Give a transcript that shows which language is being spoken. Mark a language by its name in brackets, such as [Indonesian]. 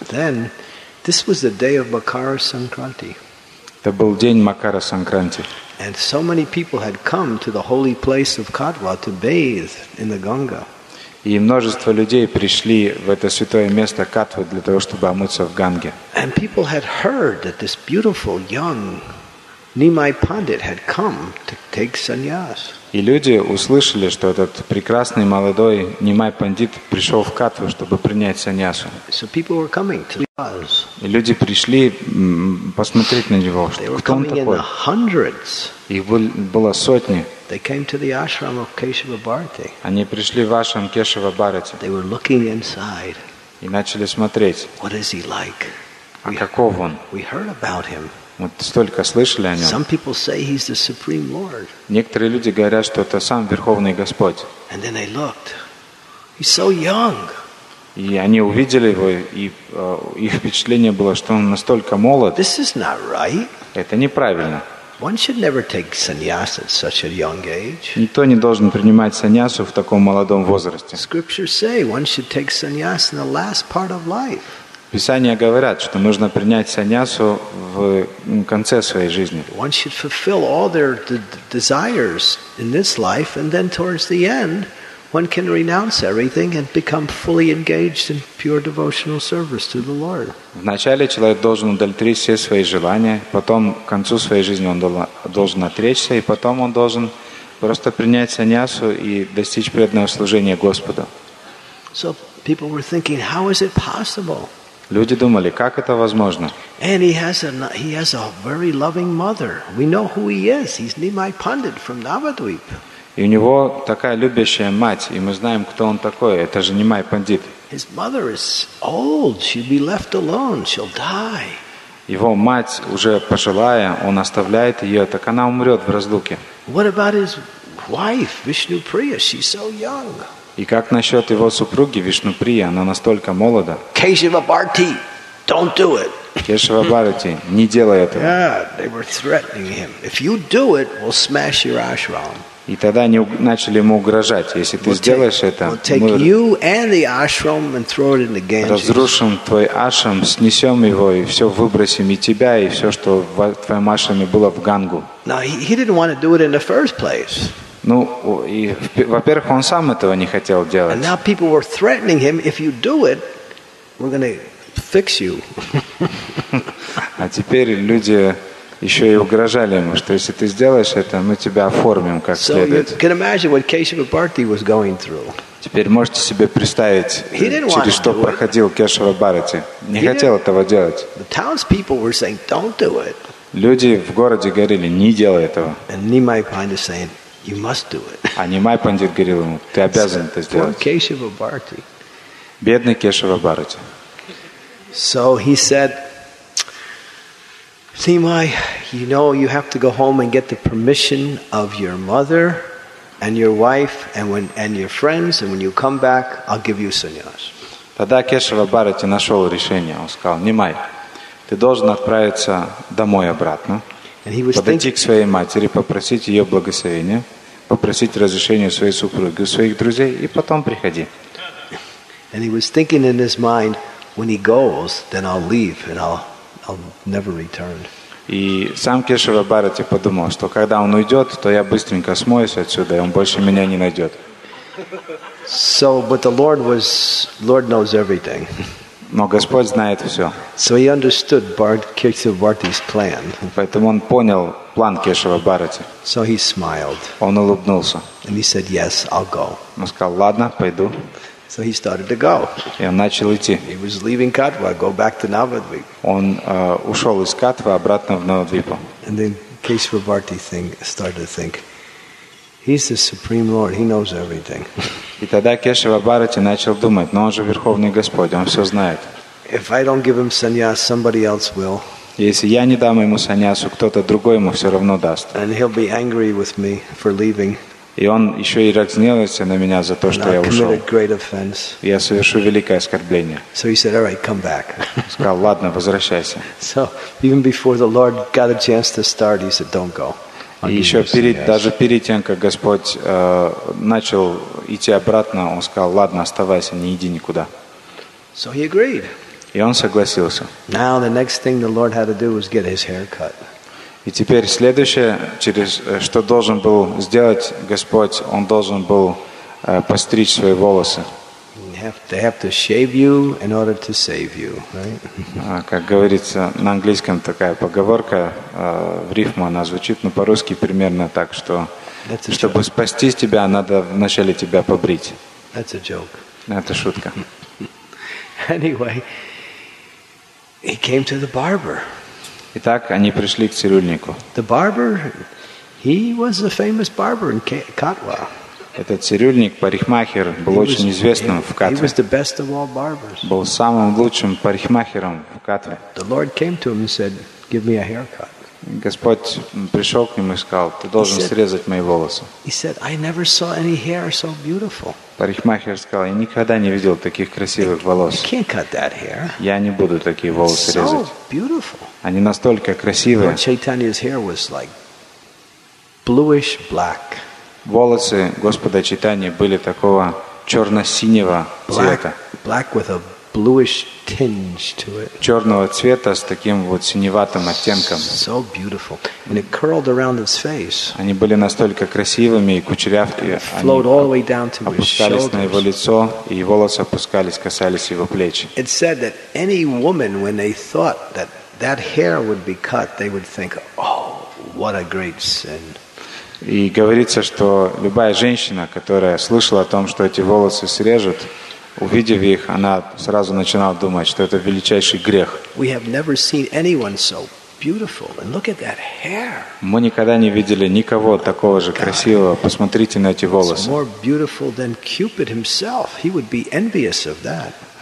[English] Then, this was the day of Makara Sankranti. [Russian] Это был день Макара Санкранти. [English] And so many people had come to the holy place of Katwa to bathe in the Ganga. [Russian] И множество людей пришли в это святое место Катвы для того, чтобы омыться в Ганге. [English] And people had heard that this beautiful young Nimai Pandit had come to take sannyas. [Russian] И люди услышали, что этот прекрасный молодой Нимай Пандит пришел в Катву, чтобы принять саньясу. [English] So people were coming to us. [Russian] И люди пришли посмотреть на него, что [English] they were coming [Russian] кто он такой. [English] In the hundreds. [Russian] Их было сотни. [English] They came to the ashram of Keshava Bharati. [Russian] Они пришли в ашрам Кешава Бхарати. [English] They were looking inside. [Russian] И начали смотреть. [English] What is he like? [Russian] А каков он? [English] We heard about him. [Russian] Мы столько слышали о нем. [English] Some people say he's the Supreme Lord. [Russian] Некоторые люди говорят, что это сам Верховный Господь. [English] And then they looked. He's so young. [Russian] И они увидели его, и их впечатление было, что он настолько молод. [English] This is not right. [Russian] Это неправильно. [English] One should never take sannyas at such a young age. [Russian] Никто не должен принимать саньясу в таком молодом возрасте. [English] Scriptures say one should take sannyas in the last part of life. [Russian] Писания говорят, что нужно принять саньясу в конце своей жизни. [English] One should fulfill all their desires in this life, and then towards the end, one can renounce everything and become fully engaged in pure devotional service to the Lord. [Russian] Вначале человек должен удовлетворить все свои желания, потом к концу своей жизни он должен отречься, и потом он должен просто принять саньясу и достичь преданного служения Господу. [English] So people were thinking, how is it possible? [Russian] Люди думали, как это возможно? [English] And he has a very loving mother. We know who he is. He's Nimai Pandit from Navadvip. [Russian] И у него такая любящая мать, и мы знаем, кто он такой. Это же Нимай Пандит. [English] His mother is old. She'll be left alone. She'll die. [Russian] Его мать уже пожилая, он оставляет ее, так она умрет в разлуке. [English] What about his wife, Vishnu Priya? She's so young. [Russian] И как насчет его супруги Вишнуприи? Она настолько молода. [English] Кешава Бхарати, don't do it. [Russian] Кешава Бхарати, не делай этого. [English] Yeah, they were threatening him. If you do it, we'll smash your ashram. [Russian] И тогда они начали ему угрожать: если ты сделаешь это, мы разрушим твой ашрам, снесем его и все выбросим, и тебя, и все, что в твоем ашраме было, в Гангу. [English] Now he didn't want to do it in the first place. [Russian] Ну, и, во-первых, он сам этого не хотел делать. [English] And now people were threatening him, if you do it, we're going to fix you. [Russian] А теперь люди еще и угрожали ему, что если ты сделаешь это, мы тебя оформим как следует. [English] So you can imagine what Keshava Bharati was going through. [Russian] Теперь можете себе представить, через что проходил Кешава Бхарати. Не хотел этого делать. [English] The townspeople were saying, don't do it. [Russian] Люди в городе говорили, не делай этого. [English] And Nimai Pandit saying, you must do it. [Russian] А Нимай Пандит говорил ему, ты обязан это сделать. [English] Poor Keshava Bharati. [Russian] Бедный Кешава Бхарати. [English] So he said, Nimai, you know you have to go home and get the permission of your mother and your wife and when and your friends and when you come back, I'll give you sannyas. [Russian] Тогда Кешава Бхарати нашел решение. Он сказал: Нимай, ты должен отправиться домой обратно, подойти к своей матери, попросить ее благословения, попросить разрешения у своей супруги, у своих друзей, и потом приходи. [English] And he was thinking in his mind, when he goes, then I'll leave and I'll never return. [Russian] И сам Кешава Бхарати подумал, что когда он уйдет, то я быстренько смоюсь отсюда, и он больше меня не найдет. [English] So, but the Lord knows everything. [Russian] Но Господь знает все. [English] So he understood Kesavabharati's plan. [Russian] Поэтому он понял план Кешава Бхарати. [English] So he smiled. [Russian] Он улыбнулся. [English] And he said, "Yes, I'll go." [Russian] Он сказал: "Ладно, пойду." [English] So he started to go. [Russian] И он начал идти. [English] He was leaving Katwa, go back to Navadvip. [Russian] Он ушел из Катвы обратно в Навадвипу. [English] And then Kesavabharati started to think. He's the Supreme Lord. He knows everything. [Russian] И тогда Кешава Бхарати начал думать: но он же Верховный Господь, он все знает. [English] If I don't give him sannyas, somebody else will. [Russian] Если я не дам ему саньясу, кто-то другой ему все равно даст. [English] And he'll be angry with me for leaving. [Russian] И он еще и разгневается на меня за то, что я ушел. [English] And I committed great offense. [Russian] Я совершу великое оскорбление. [English] So he said, "All right, come back." [Russian] Сказал: ладно, возвращайся. [English] So even before the Lord got a chance to start, he said, "Don't go." [Russian] И еще перед тем, как Господь начал идти обратно, он сказал: ладно, оставайся, не иди никуда. [English] So he agreed. [Russian] И он согласился. [English] Now the next thing the Lord had to do was get his hair cut. [Russian] И теперь следующее, через что должен был сделать Господь, он должен был постричь свои волосы. [English] They have to shave you in order to save you, right? [Russian] Как говорится на английском, такая поговорка, в рифму она звучит, но по-русски примерно так, что чтобы спасти тебя, надо вначале тебя побрить. [English] That's a joke. [Russian] Это шутка. [English] Anyway, he came to the barber. [Russian] Итак, они пришли к цирюльнику. [English] The barber, he was a famous barber in Katwa. [Russian] Этот цирюльник, парикмахер, был очень известным в Катве. Был самым лучшим парикмахером в Катве. [English] The Lord came to him and said, "Give me a haircut." [Russian] Господь пришел к нему и сказал: ты должен срезать мои волосы. [English] He said, "I never saw any hair so beautiful." [Russian] Парикмахер сказал: я никогда не видел таких красивых волос. [English] You can't cut that hair. [Russian] Я не буду такие волосы резать. [English] So beautiful. [Russian] Они настолько красивые. [English] Lord Chaitanya's hair was like bluish black. [Russian] Волосы Господа Чайтаньи были такого черно-синего цвета. [English] Black with a bluish tinge to it. [Russian] Черного цвета с таким вот синеватым оттенком. [English] So beautiful. And it curled around his face. [Russian] Они были настолько красивыми и кучерявкими. [English] Flowed all the way down to his shoulders. [Russian] Опускались на его лицо, и волосы опускались, касались его плеч. [English] It said that any woman, when they thought that that hair would be cut, they would think, "Oh, what a great sin." [Russian] И говорится, что любая женщина, которая слышала о том, что эти волосы срежут, увидев их, она сразу начинала думать, что это величайший грех. [English] We have never seen anyone so beautiful. And look at that hair. [Russian] Мы никогда не видели никого такого же красивого. Посмотрите на эти волосы. [English] More beautiful than Cupid himself. He would be envious of that.